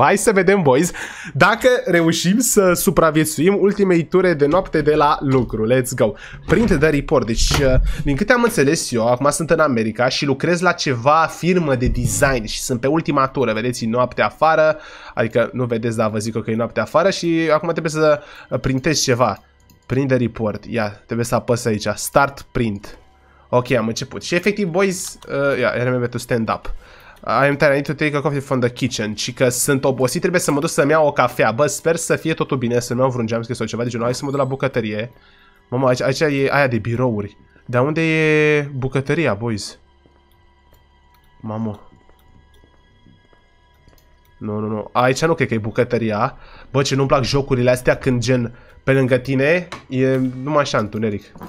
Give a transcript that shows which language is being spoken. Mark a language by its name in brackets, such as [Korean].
[Romanian] Hai să vedem, boys, dacă reușim să supraviețuim ultimei ture de noapte de la lucru. [English] Let's go. Print the report. [Romanian] Deci, din câte am înțeles eu, acum sunt în America și lucrez la ceva firmă de design și sunt pe ultima tură. Vedeți, noapte afară. Adică, nu vedeți, dar vă zic că e noapte afară și acum trebuie să printez ceva. [English] Print the report. [Romanian] Ia, trebuie să apăs aici. [English] Start print. [Romanian] Ok, am început. Și efectiv, [English] boys, ia, remember to stand up. I am tired, I need to take a coffee from the kitchen. [Romanian] Și că sunt obosit, trebuie să mă duc să-mi iau o cafea. Bă, sper să fie totul bine, să nu iau vreun jumpscare sau ceva de genul. Hai să mă duc la bucătărie. Mamă, aici e aia de birouri. De unde e bucătăria, boys? Mamă. Nu, nu, nu. Aici nu cred că e bucătăria. Bă, ce nu-mi plac jocurile astea când gen pe lângă tine e numai așa întuneric.